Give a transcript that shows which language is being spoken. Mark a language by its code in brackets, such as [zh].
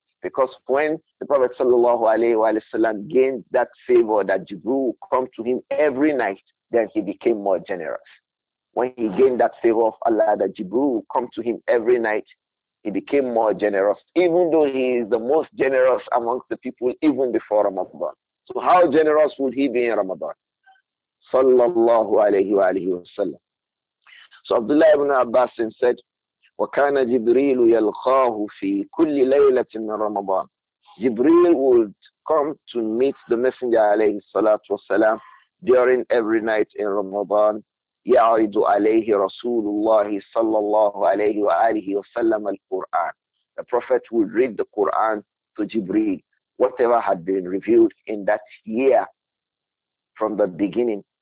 [en] Because when the Prophet sallallahu alayhi wa sallam gained that favor that Jibreel come to him every night, then he became more generous. When he gained that favor of Allah that Jibreel come to him every night, he became more generous, even though he is the most generous amongst the people even before Ramadan. So how generous would he be in Ramadan? Sallallahu alayhi wa sallam. So Abdullah ibn Abbas said, [ar] وَكَانَ جِبْرِيلُ يَلْخَاهُ فِي كُلِّ لَيْلَةٍ رَمَضَانٍ. [en] Jibreel would come to meet the Messenger alayhi salatu wasalam during every night in Ramadan. [ar] يَعْرِضُ عَلَيْهِ رَسُولُ اللَّهِ صَلَّى اللَّهُ عَلَيْهِ وَآلِهِ وَسَلَّمَ الْقُرْآنِ. [en] The Prophet would read the Quran to Jibreel, whatever had been revealed in that year from the beginning.